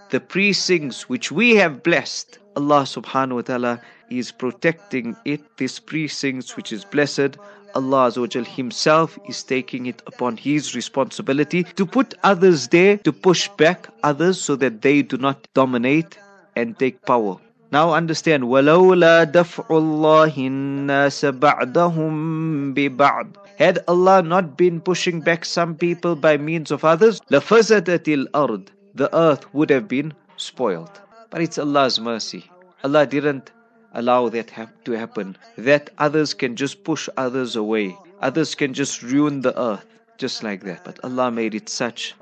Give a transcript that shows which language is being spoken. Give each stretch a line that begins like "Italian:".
English: The precincts which we have blessed, Allah subhanahu wa ta'ala is protecting it, this precincts which is blessed. Allah Azza wa Jal himself is taking it upon his responsibility to put others there, to push back others so that they do not dominate and take power. Now understand,
Arabic: وَلَوْلَا دَفْعُ اللَّهِ النَّاسَ بَعْضَهُمْ بِبَعْضٍ.
English: Had Allah not been pushing back some people by means of others,
Arabic: لَفَزَدَتِ الْأَرْضِ,
English: the earth would have been spoiled. But it's Allah's mercy. Allah didn't allow that to happen, that others can just push others away. Others can just ruin the earth, just like that. But Allah made it such.